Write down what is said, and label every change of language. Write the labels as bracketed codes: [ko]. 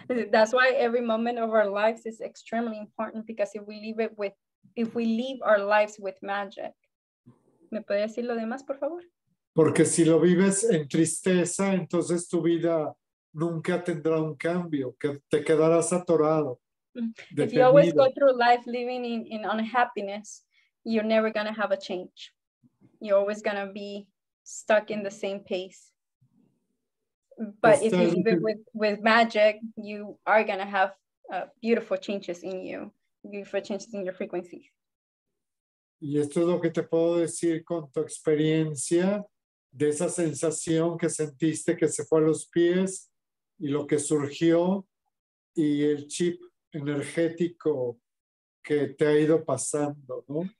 [en] That's why every moment of our lives is extremely important, because if we live our lives with magic. [es] ¿Me puede decir lo demás, por favor? Porque si lo vives en tristeza, entonces tu vida nunca tendrá un cambio, que te quedarás atorado. [en] If you always go through life living in unhappiness, you're never going to have a change. You're always going to be stuck in the same pace. But if you live it with magic, you are going to have beautiful changes in you, beautiful changes in your frequency. [es] Y esto es lo que te puedo decir con tu experiencia, de esa sensación que sentiste que se fue a los pies, y lo que surgió, y el chip energético que te ha ido pasando, ¿no?